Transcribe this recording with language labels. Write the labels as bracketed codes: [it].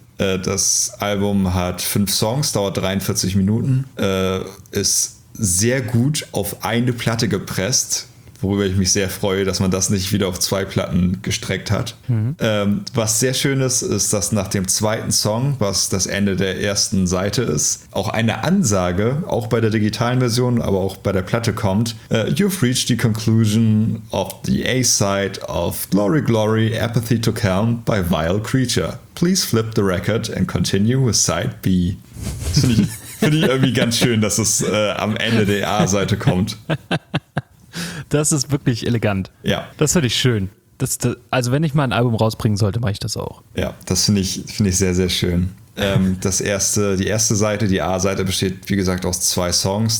[de] Das Album hat 5 Songs, dauert 43 Minuten, ist sehr gut auf eine Platte gepresst, worüber ich mich sehr freue, dass man das nicht wieder auf 2 Platten gestreckt hat. Mhm. Was sehr schön ist, ist, dass nach dem 2. Song, was das Ende der ersten Seite ist, auch eine Ansage, auch bei der digitalen Version, aber auch bei der Platte kommt. [en] You've reached the conclusion of the A-side of Glory Glory, Apathy to Calm by Vile Creature. Please flip the record and continue with side B. [de] Finde ich irgendwie ganz schön, dass es am Ende der A-Seite kommt. Das ist wirklich elegant. Ja. Das finde ich schön. Also wenn ich mal ein Album rausbringen sollte, mache ich das auch. Ja, das finde ich sehr, sehr schön. Die erste Seite, die A-Seite, besteht, wie gesagt, aus 2 Songs.